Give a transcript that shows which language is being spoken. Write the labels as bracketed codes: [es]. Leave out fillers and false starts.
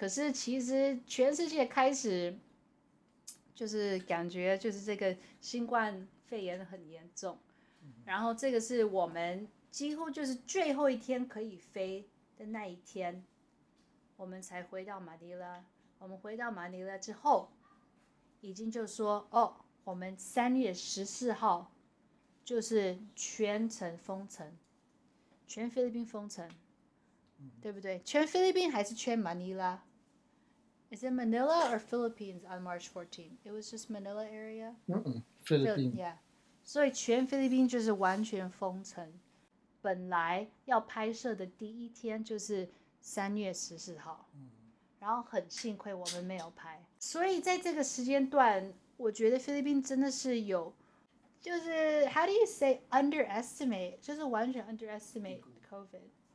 [zh] 可是其实全世界开始就是感觉就是这个新冠肺炎很严重，然后这个是我们几乎就是最后一天可以飞的那一天，我们才回到马尼拉。我们回到马尼拉之后已经就说，哦，我们3月14号就是全城封城，全菲律宾封城，对不对？全菲律宾还是全马尼拉？ [en] Is it Manila or Philippines on March 14? It was just Manila area? Philippines. [zh] 所以全菲律宾就是完全封城。本来要拍摄的第一天就是3月14号，然后很幸亏我们没有拍。所以在这个时间段，我觉得菲律宾真的是有，就是 [en] how do you say underestimate， [zh] 就是完全 underestimate COVID，